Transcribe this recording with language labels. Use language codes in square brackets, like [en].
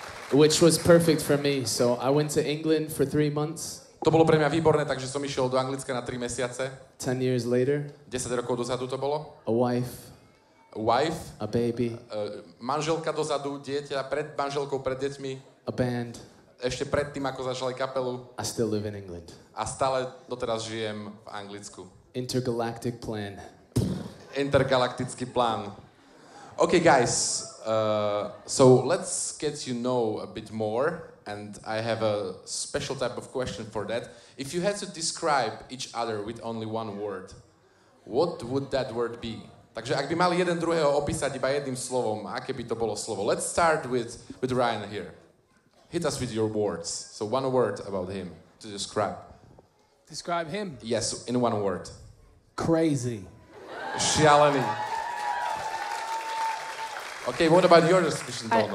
[en] Which was perfect for me. So I went to England for 3 months. [sk] To bolo pre mňa výborné, takže som išiel do Anglicka na 3 mesiace. [en] 10 years later. [sk] 10 rokov dozadu to bolo. [en] A wife. A baby. [sk] Manželka dozadu, dieťa pred manželkou, pred deťmi. [en] A band. [sk] Ešte pred tým, ako začali kapelu. [en] I still live in England. [sk] A stále doteraz žijem v Anglicku. [en] Intergalactic plan. [sk] Intergalaktický plán. [en] Okay, guys. So let's get you know a bit more, and I have a special type of question for that. If you had to describe each other with only one word, what would that word be? [sk] Takže ak by mali jeden druhého opísať iba jedným slovom, aké by to bolo slovo? [en] Let's start with Ryan here. Hit us with your words. So one word about him to describe. Describe him? Yes, in one word. Crazy. Shialani. Okay, what about your description, Donna?